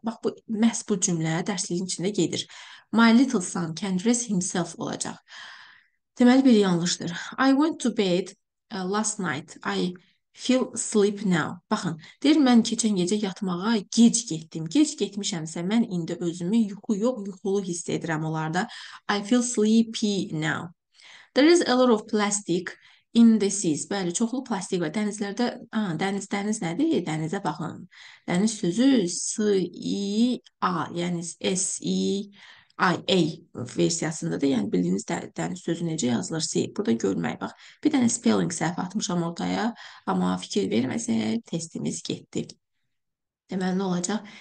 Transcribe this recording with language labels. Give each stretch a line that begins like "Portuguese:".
Azerbaijani: Bax bu məhz bu cümlə dərsliyin içində gedir.
English: My little son can dress himself
Azerbaijani: olacaq. Deməli, biri yanlışdır.
English: I went to bed last night. I feel sleep now.
Azerbaijani: Baxın, deyir, mən keçən gecə yatmağa gec getdim. Gec getmişəmsə, mən indi özümü yuxu yox, yuxulu hiss edirəm onlarda.
English: I feel sleepy now. There is a lot of plastic in the seas.
Azerbaijani: Bəli, çoxlu plastik var. Dənizlərdə, dəniz nədir? Dənizə baxın. Dəniz sözü S-I-A, yəni S-I-A. I, A versiyasındadır. Yəni bildiyiniz dəniz sözü necə yazılır? S. Burada görmək bax. Bir dənə spelling səhv atmışam ortaya. Amma fikir verməsə testimiz getdi. Deməli nə olacaq?